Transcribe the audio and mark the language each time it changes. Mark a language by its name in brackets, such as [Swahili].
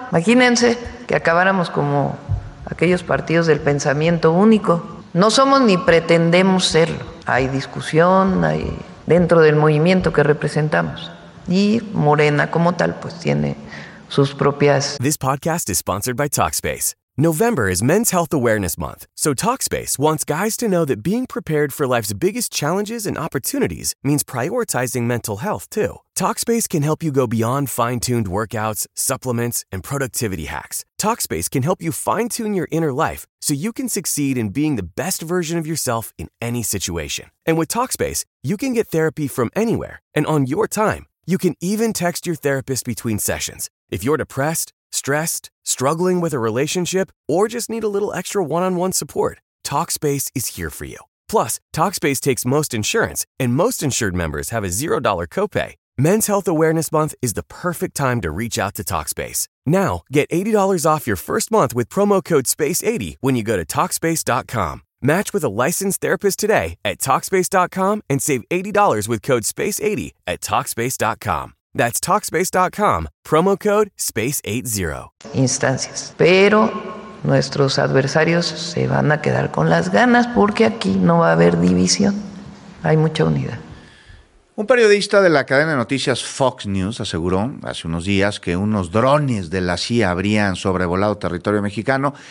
[Spanish] Imagínense que acabáramos como aquellos partidos del pensamiento único. No somos ni pretendemos serlo. Hay discusión, hay dentro del movimiento que representamos. Y Morena como tal, pues tiene sus propias. [English] This podcast is sponsored by Talkspace. November is Men's Health Awareness Month, so Talkspace wants guys to know that being prepared for life's biggest challenges and opportunities means prioritizing mental health, too. Talkspace can help you go beyond fine-tuned workouts, supplements, and productivity hacks. Talkspace can help you fine-tune your inner life so you can succeed in being the best version of yourself in any situation. And with Talkspace, you can get therapy from anywhere and on your time. You can even text your therapist between sessions. If you're depressed, stressed, struggling with a relationship, or just need a little extra one-on-one support, Talkspace is here for you. Plus, Talkspace takes most insurance, and most insured members have a $0 copay. Men's Health Awareness Month is the perfect time to reach out to Talkspace. Now, get $80 off your first month with promo code SPACE80 when you go to Talkspace.com. Match with a licensed therapist today at Talkspace.com and save $80 with code SPACE80 at Talkspace.com. That's Talkspace.com, promo code SPACE80. [Spanish] Instancias. Pero nuestros adversarios se van a quedar con las ganas porque aquí no va a haber división. Hay mucha unidad. Un periodista de la cadena de noticias Fox News aseguró hace unos días que unos drones de la CIA habrían sobrevolado territorio mexicano.